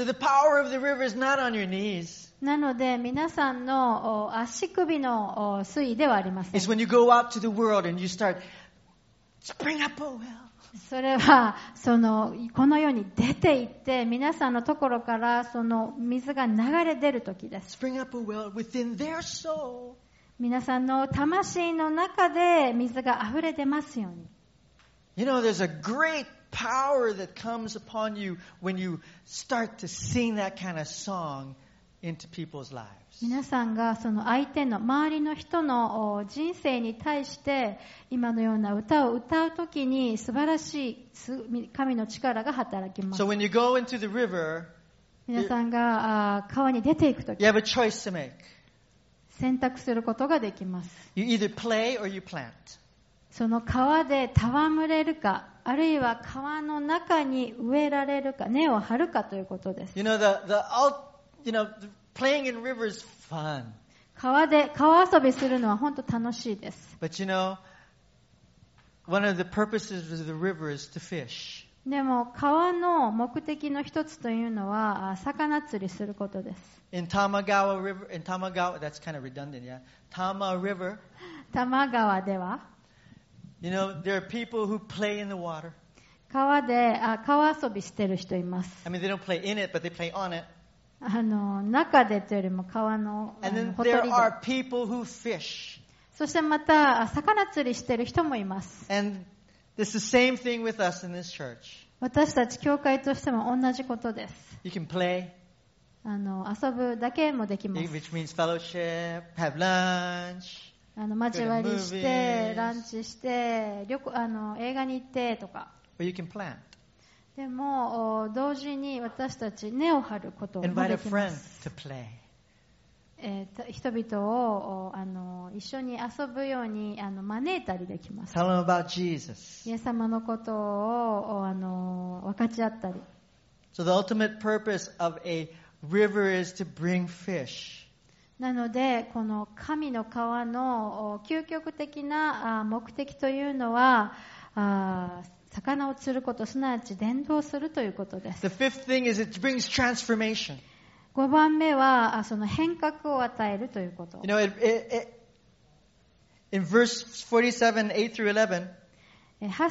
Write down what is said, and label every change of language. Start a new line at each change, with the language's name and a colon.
English: So the power of the river is not on your knees.
Japanese: なので皆さんの足首の水位ではありません。
English: It's when you go out to the world and you start spring up a well.
Japanese: それはそのこの世に出て行って皆さんのところからその水が流れ出る時です。
English: Spring up a well within their soul.
Japanese: 皆さんの魂の中で水が溢れ出ますように。
English: You know, there's a great power that comes upon you when you start to sing that kind of song into people's lives.
Japanese: 皆さんがその相手の周りの人の人生に対して今のような歌を歌うときに素晴らしい神の力が働きます。
English: So when you go into the river,
Japanese: 皆さんが川に出ていくと
English: き、you have a choice to make.
Japanese: 選択することができます。
English: You either play or you plant.
Japanese: その川で戯れるか、あるいは川の中に植えられるか、根を張るかということです。
English: You know, the playing in rivers is fun.
Japanese: 川遊びするのは本当楽しいです。
English: But you know, one of the purposes of the river is to fish.
Japanese: でも川の目的の一つというのは魚釣りすることです。
English: In Tamagawa River, in Tamagawa, that's kind of redundant, yeah. Tama River.
Japanese: 多摩川では。
English: You know, there are people who play in the water.
Japanese: 川遊びしてる人います。
English: I mean, they don't play in it, but they play on it.
Japanese: 中でというよりも川のほとりで。
English: And then there are people who fish.
Japanese: そしてまた魚釣りしてる人もいます。
English: And This is the same thing with us in this church.
Japanese: 私たち教会としても同じことです。
English: You can play.
Japanese: 遊ぶだけもできます。
English: Which means fellowship, have lunch.
Japanese: 交わりして、ランチして、映画に行ってとか。
English: Or you can plant.
Japanese: でも、同時に私たち根を張ることもできます。
English: Invite a friend to play.
Japanese: 人々を一緒に遊ぶように招いたりできます。
English: Tell them about Jesus.
Japanese: イエス様のことを分かち合ったり。
English: So the ultimate purpose of a river is to bring fish.
Japanese: なのでこの神の川の究極的な目的というのは魚を釣ること、すなわち伝道するということです。
English: The fifth thing is it brings transformation.
Japanese: 5番目はその変革を与えるということ。
English: You know, in verse 47, 8 through 11, 8